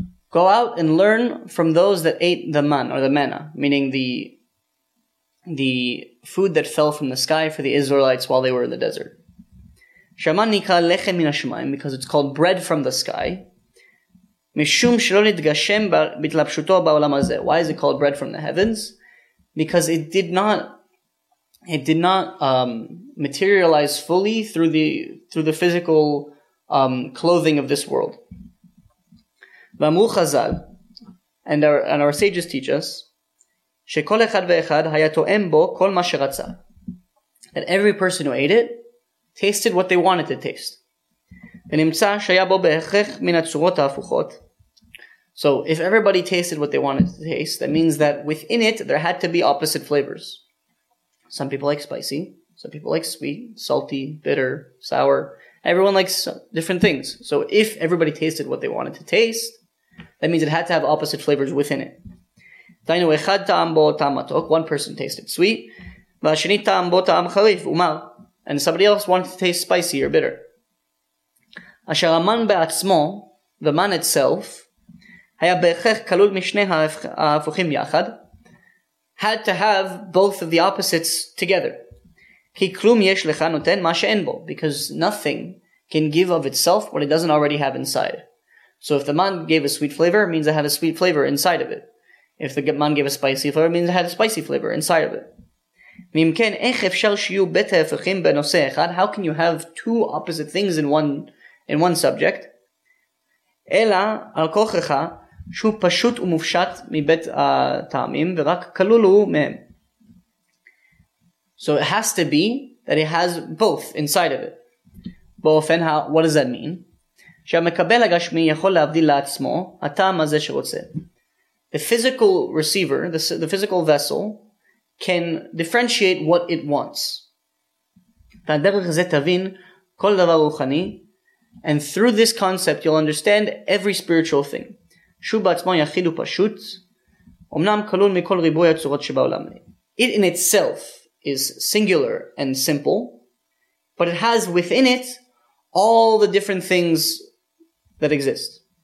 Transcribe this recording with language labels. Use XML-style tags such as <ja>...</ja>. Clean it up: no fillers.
<en>Go out and learn from those that ate the man or the manna, meaning the food that fell from the sky for the Israelites while they were in the desert.</en> <he>Shaman nika lechem min hashamayim,</he> <en>because it's called bread from the sky.</en> <he>משום שלא נתגשם בתלבשותו בעולם הזה.</he> <en>Why is it called bread from the heavens? Because it did not materialize fully through the physical clothing of this world.</en> <he>ואמרו חזל,</he> <en>and our sages teach us,</en> <he>שכל אחד ואחד היה תואם בו כל מה שרצה.</he> <en>That every person who ate it tasted what they wanted to taste.</en> <he>ונמצא שהיה בו בהכרח מן הצורות ההפוכות.</he> <en>So if everybody tasted what they wanted to taste, that means that within it there had to be opposite flavors. Some people like spicy, some people like sweet, salty, bitter, sour. Everyone likes different things. So if everybody tasted what they wanted to taste, that means it had to have opposite flavors within it.</en> <he>דיינו אחד טעם בו טעם מתוק,</he> <en>one person tasted sweet,</en> <he>והשני טעם בו טעם חריף, ומר,</he> <en>and somebody else wanted to taste spicy or bitter.</en> <he>אשר המן בעצמו,</he> <en>the man itself,</en> <he>היה בהכרח כלול משני ההפוכים יחד,</he> <en>had to have both of the opposites together.</en> <he>כי כלום יש לך נותן מה שאין בו,</he> <en>because nothing can give of itself what it doesn't already have inside. So if the man gave a sweet flavor, it means it had a sweet flavor inside of it. If the man gave a spicy flavor, it means it had a spicy flavor inside of it.</en> <he>ואם כן, איך אפשר שיהיו בית ההפכים בנושא אחד?</he> <en>How can you have two opposite things in one subject?</en> <he>אלא על כוחך שהוא פשוט ומופשט מבית הטעמים ורק כלול הוא מהם.</he> <en>So it has to be that it has both inside of it.</en> <he>באופן,</he> <en>what does that mean?</en> <he>שהמקבל הגשמי יכול להבדיל לעצמו הטעם הזה שרוצה.</he> <en>The physical receiver, the physical vessel, can differentiate what it wants.</en> <he>והדרך זה תבין כל דבר רוחני,</he> <en>and through this concept you'll understand every spiritual thing.</en> <he>שהוא בעצמו יחיד ופשוט, אמנם כלול מכל ריבוי הצורות שבעולם.</he> <en>It in itself is singular and simple, but it has within it all the different things that exist.</en>